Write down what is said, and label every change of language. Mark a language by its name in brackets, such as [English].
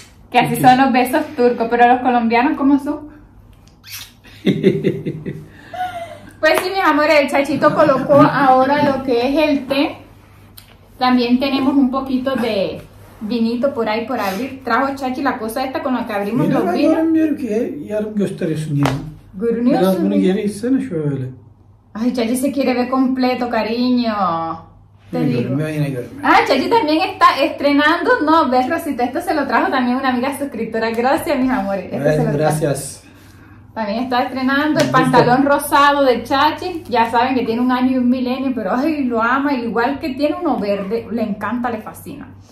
[Spanish] Que así son los besos turcos. Pero los colombianos, ¿cómo son? Pues sí, mis amores. El Chachito colocó ahora lo que es el té. También tenemos un poquito de vinito por ahí por abrir. Trajo Chachi la cosa esta con la que abrimos los vinos. [Turkish] Görünmüyor ki. Yarım gösteriyorsun yine. Görünüyorsun. Biraz bunu geri itsene şöyle. [Spanish] Ay, Chachi se quiere ver completo, cariño. Te digo. Ah, Chachi también está estrenando. No, ves, Rosita, esto se lo trajo también una amiga suscriptora. Gracias, mis amores. Gracias. También está estrenando el pantalón rosado de Chachi. Ya saben que tiene un año y un milenio, pero ay, lo ama. Igual que tiene uno verde, le encanta, le fascina.